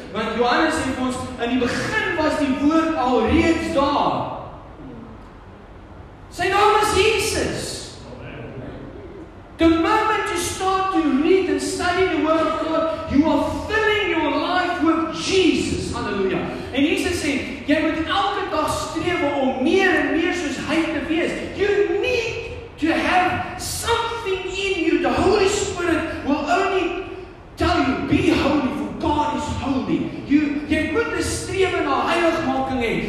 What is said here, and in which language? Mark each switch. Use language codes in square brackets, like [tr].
[af] Want Johannes sê vir ons, in die begin was die woord al reeds daar. Sy naam is Jesus. [en] The moment you start to read and study the word of God, you are filling your life with Jesus. Hallelujah. [af] En Jesus sê, jy moet elke dag strewe om meer en meer soos hy te wees. [en] You need to have something in you. The Holy Spirit will only tell you, be holy, for God is holy. [af] Jy moet een strewe na heiligmaking hê.